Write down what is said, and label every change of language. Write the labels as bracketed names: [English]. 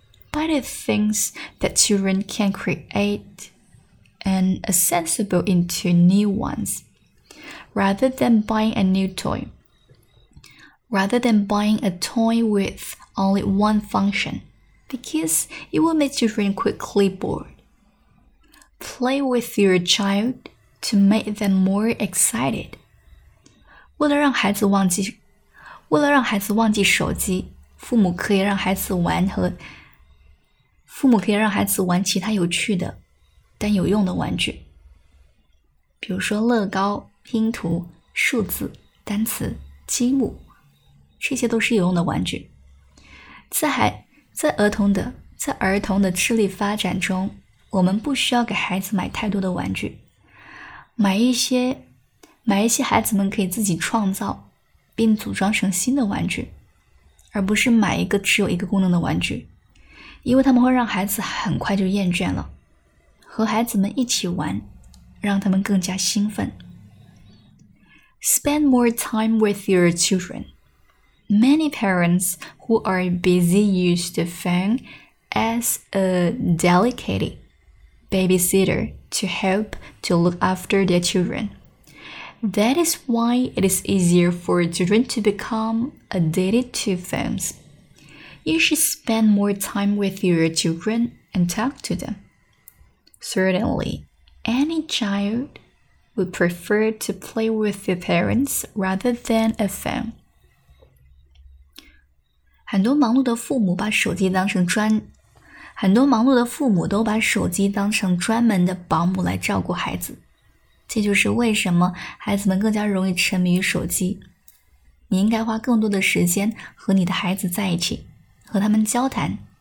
[English] By the things that children can create and assemble into new ones, rather than buying a toy with only one function, because it will make children quickly bored. Play with your child to make them more excited. [Chinese] 为了让孩子忘记手机，父母可以让孩子玩其他有趣的但有用的玩具，比如说乐高、拼图、数字、单词、积木，这些都是有用的玩具。在儿童的智力发展中，我们不需要给孩子买太多的玩具，买一些孩子们可以自己创造并组装成新的玩具，而不是买一个只有一个功能的玩具，因为他们会让孩子很快就厌倦了。和孩子们一起玩，让他们更加兴奋。 [English] Spend more time with your children. Many parents who are busy use the phone as a delicate babysitter to help to look after their children. That is why it is easier for children to become addicted to phones. You should spend more time with your children and talk to them. Certainly, any child would prefer to play with their parents rather than a phone. [Chinese] 很多忙碌的父母都把手机当成专门的保姆来照顾孩子。这就是为什么孩子们更加容易沉迷于手机。你应该花更多的时间和你的孩子在一起，和他们交谈。